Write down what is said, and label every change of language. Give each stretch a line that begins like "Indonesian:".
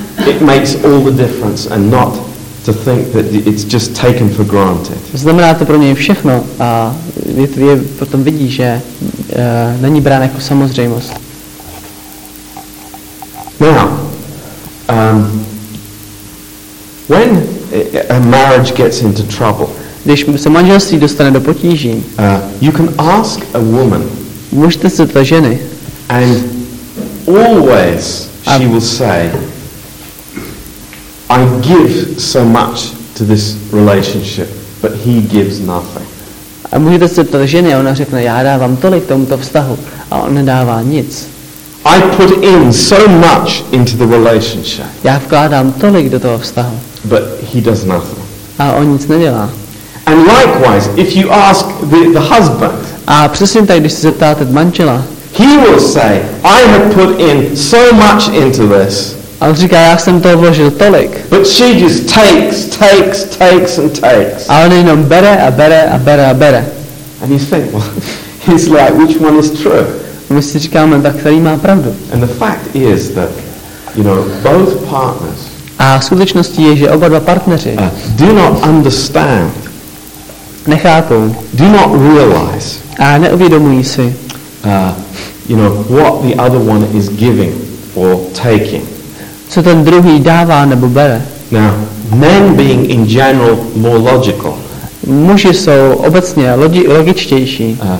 English: It makes all the difference and not to think that it's just taken for granted.
Czech: Znamená to pro něj všechno a je potom vidí, že není brán jako samozřejmost.
English: Now, when a marriage gets into trouble,
Czech: když se manželství dostane do potíží,
English: you can ask a woman,
Czech: můžete se ptát ženy,
English: and always she will say, I give so much to this relationship, but he gives nothing.
Czech: A můžete se ptát ženy, ona řekne, já dávám tolik tomuto vztahu, a on nedává nic.
English: I put in so much into the relationship.
Czech: Já vkládám tolik do toho vztahu.
English: But he does nothing.
Czech: A on nic nedělá.
English: And likewise, if you ask the husband,
Czech: a přesně tak, když se zeptáte manžela,
English: he will say, I have put in so much into this.
Czech: A on říká, já jsem toho vložil tolik.
English: But she just takes, takes, takes and takes.
Czech: A on jenom bere a bere a bere a bere.
English: And you think, well, he's like, which one is true?
Czech: A my si říkáme, tak který má pravdu.
English: And the fact is that, you know, both partners.
Czech: A skutečností je, že oba dva partneři
English: do not understand.
Czech: Nechápou.
English: Do not realize.
Czech: A neuvědomují si.
English: You know, what the other one is giving or taking.
Czech: Co ten druhý dává nebo bere.
English: Now, men being in general more logical.
Czech: Muži jsou obecně logičtější.